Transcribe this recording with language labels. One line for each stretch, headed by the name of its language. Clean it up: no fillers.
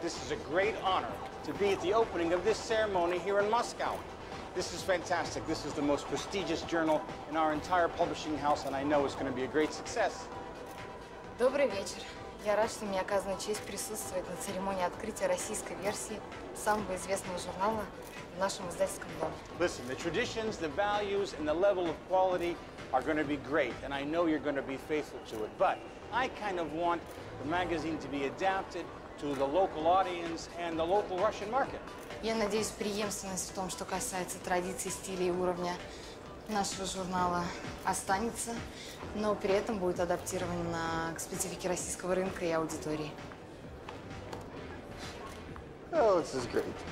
English: This is a great honor to be at the opening of this ceremony here in Moscow. This is fantastic. This is the most prestigious journal in our entire publishing house, and I know it's going to be a great success.
Russian: Добрый вечер. Я рад, что мне оказана честь присутствовать на церемонии открытия российской версии самого известного журнала в нашем издательском доме.
English: Listen, the traditions, the values, and the level of quality are going to be great, and I know you're going to be faithful to it, but I kind of want the magazine to be adapted to the local audience and the local Russian market.
Russian: Я надеюсь, преемственность в том, что касается традиций, стиля и уровня нашего журнала, останется, но при этом будет адаптирована к специфике российского рынка и аудитории.
English: Oh, this is great.